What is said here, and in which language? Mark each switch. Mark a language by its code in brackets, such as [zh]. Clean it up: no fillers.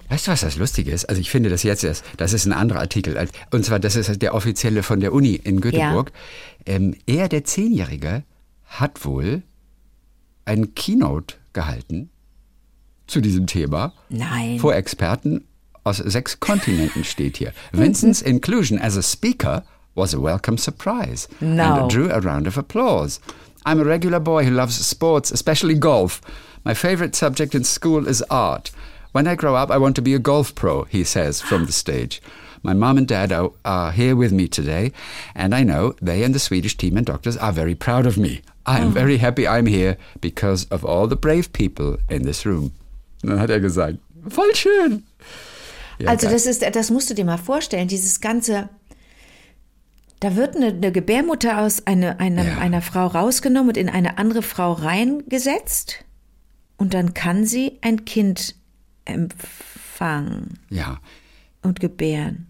[de] Weißt du, was das Lustige ist? Also ich finde das jetzt erst, das ist ein anderer Artikel. Und zwar, das ist der offizielle von der Uni in Göteborg. Ja. Er, der 10-Jährige, hat wohl ein Keynote gehalten zu diesem Thema. Nein. Vor Experten aus 6 Kontinenten steht hier. [en] Vincent's inclusion as a speaker was a welcome surprise. No. And drew a round of applause. I'm a regular boy who loves sports, especially golf. My favorite subject in school is art. When I grow up, I want to be a golf pro, he says from the stage. My mom and dad are here with me today, and I know they and the Swedish team and doctors are very proud of me. I am very happy I'm here because of all the brave people in this room. [de] Dann hat er gesagt, voll schön. Ja, also das musst du dir mal vorstellen, dieses ganze... Da wird eine Gebärmutter aus einer Frau rausgenommen und in eine andere Frau reingesetzt und dann kann sie ein Kind empfangen und gebären.